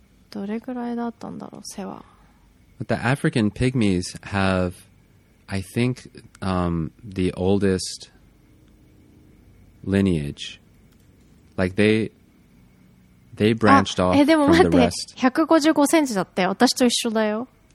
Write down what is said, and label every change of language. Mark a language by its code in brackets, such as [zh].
[ja] どれくらいだったんだろう、背は。 [en] But the African pygmies have... I think the oldest lineage, like they branched off from the rest. [ja] 155 cm だって私と一緒だよ。